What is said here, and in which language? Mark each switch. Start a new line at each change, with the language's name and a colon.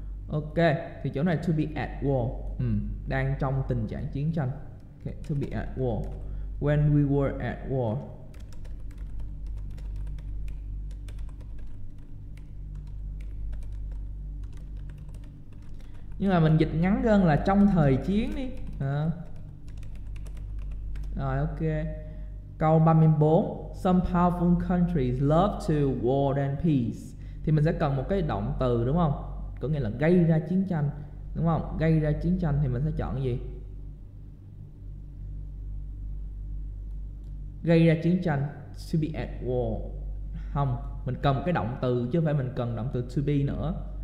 Vietnamese: Ok, thì chỗ này
English: to be at war.
Vietnamese: Đang trong tình trạng chiến tranh. Ok, to be at war.
English: When we were at war.
Vietnamese: Nhưng mà mình dịch ngắn hơn là trong thời chiến đi. À. Rồi, ok. Câu 34,
English: some powerful countries love to war than peace.
Vietnamese: Thì mình sẽ cần một cái động từ, đúng không? Có nghĩa là gây ra chiến tranh, đúng không? Gây ra chiến tranh thì mình sẽ chọn cái gì? Gây ra chiến tranh,
English: to be at war.
Vietnamese: Không, mình cần một cái động từ chứ không phải mình cần động từ to be nữa.